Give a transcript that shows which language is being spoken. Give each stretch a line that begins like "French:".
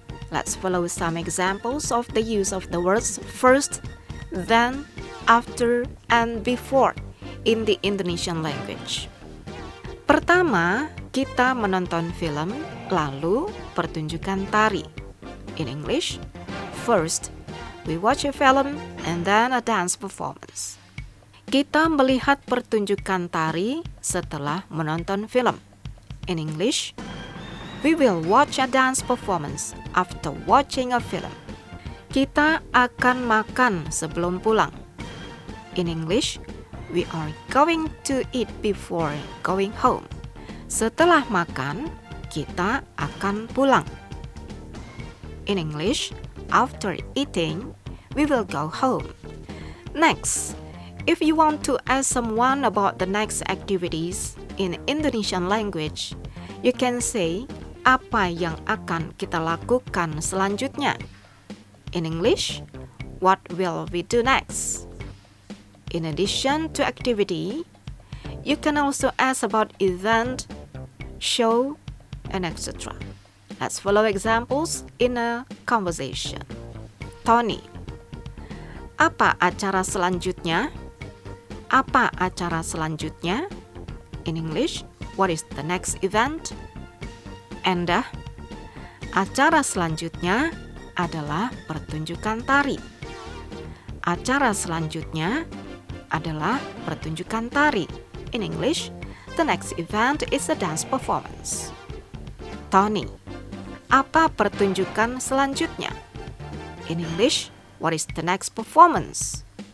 English: Let's follow some examples of the use of the words first, then, after, and before in the Indonesian language.
Indonesian: Pertama, kita menonton film, lalu pertunjukan tari.
English: In English, first, we watch a film and then a dance performance.
Indonesian: Kita melihat pertunjukan tari setelah menonton film.
English: In English, we will watch a dance performance after watching a film.
Indonesian: Kita akan makan sebelum pulang.
English: In English, we are going to eat before going home.
Indonesian: Setelah makan, kita akan pulang.
English: In English, after eating, we will go home. Next, if you want to ask someone about the next activities in Indonesian language, you can say,
Indonesian: apa yang akan kita lakukan selanjutnya?
English: In English, what will we do next? In addition to activity, you can also ask about event, show, and etc. Let's follow examples in a conversation.
Indonesian: Tony, apa acara selanjutnya? Apa acara selanjutnya?
English: In English, what is the next event?
Indonesian: Anda, acara selanjutnya adalah pertunjukan tari. Acara selanjutnya adalah pertunjukan tari.
English: In English, the next event is a dance performance.
Indonesian: Tony, apa pertunjukan selanjutnya?
English: In English, what is the next performance?